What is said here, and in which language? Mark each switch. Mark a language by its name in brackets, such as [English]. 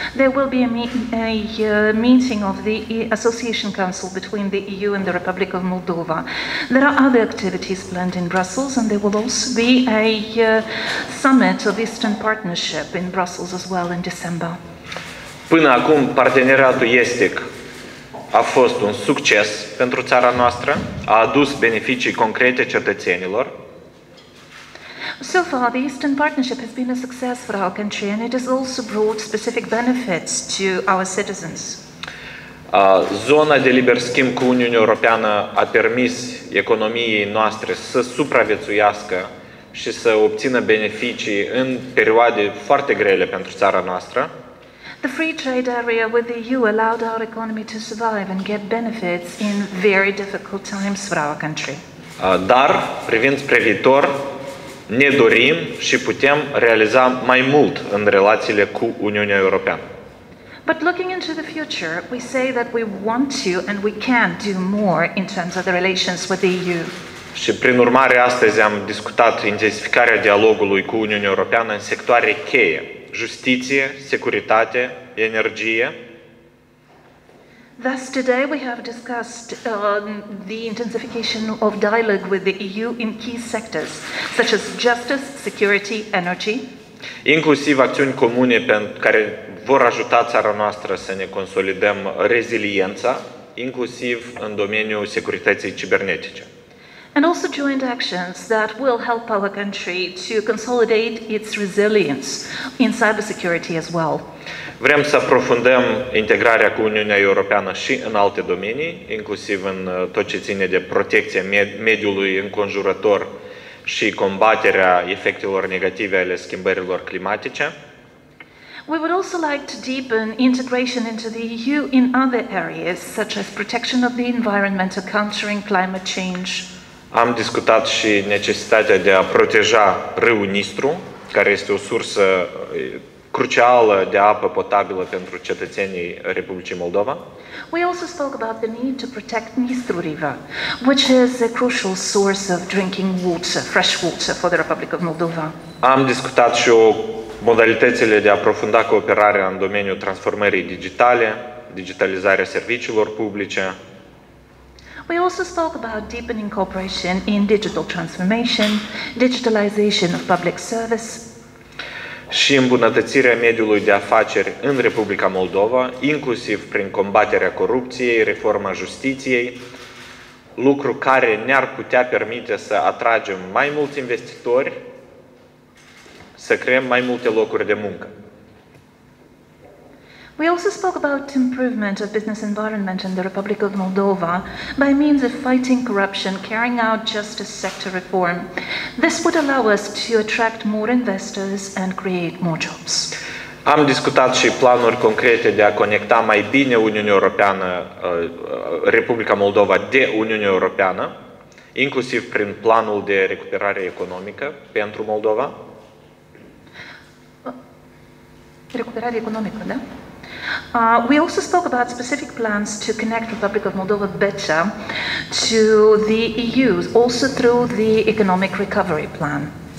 [English] There will be a meeting of the Association Council between the EU and the Republic of Moldova. There are other activities planned in Brussels, and there will also be a summit of Eastern Partnership in Brussels as well in December. [Romanian] Până acum, parteneriatul Estic a fost un succes pentru țara noastră, a adus beneficii concrete cetățenilor. [English] So far, the Eastern Partnership has been a success for our country and it has also brought specific benefits to our citizens. [Romanian] Zona de liber schimb cu Uniunea Europeană a permis economiei noastre să supraviețuiască și să obțină beneficii în perioade foarte grele pentru țara noastră. [English] The free trade area with the EU allowed our economy to survive and get benefits in very difficult times for our country. [Romanian] Dar, privind spre viitor, ne dorim și putem realiza mai mult în relațiile cu Uniunea Europeană. [English] But looking into the future, we say that we want to and we can do more in terms of the relations with the EU. [Romanian] Și prin urmare, astăzi am discutat intensificarea dialogului cu Uniunea Europeană în sectoare cheie. Justiție, securitate, energie. [English] Thus today we have discussed the intensification of dialogue with the EU in key sectors such as justice, security, energy. [Romanian] Inclusiv acțiuni comune pentru care vor ajuta țara noastră să ne consolidăm reziliența, inclusiv în domeniul securității cibernetice. [English] And also joint actions that will help our country to consolidate its resilience in cybersecurity as well. [Romanian] Vrem să aprofundăm integrarea cu Uniunea Europeană și în alte domenii, inclusiv în tot ce ține de protecția mediului înconjurător și combaterea efectelor negative ale schimbărilor climatice. [English] We would also like to deepen integration into the EU in other areas, such as protection of the environment or countering climate change. [Romanian] Am discutat și necesitatea de a proteja râul Nistru, care este o sursă crucială de apă potabilă pentru cetățenii Republicii Moldova. [English] We also spoke about the need to protect Nistru River, which is a crucial source of drinking water, fresh water for the Republic of Moldova. [Romanian] Am discutat și modalitățile de a aprofunda cooperarea în domeniul transformării digitale, digitalizarea serviciilor publice. [English] We also spoke about deepening cooperation in digital transformation, digitalization of public service. [Romanian] Și îmbunătățirea mediului de afaceri în Republica Moldova, inclusiv prin combaterea corupției, reforma justiției, lucru care ne-ar putea permite să atragem mai mulți investitori, să creăm mai multe locuri de muncă. [English] We also spoke about improvement of business environment in the Republic of Moldova by means of fighting corruption, carrying out justice sector reform. This would allow us to attract more investors and create more jobs. [Romanian] Am discutat și planuri concrete de a conecta mai bine Uniunea Europeană, Republica Moldova de Uniunea Europeană, inclusiv prin planul de recuperare economică pentru Moldova. Recuperare economică, da? [English] We also spoke about specific plans to connect Republic of Moldova better to the EU, also through the economic recovery plan.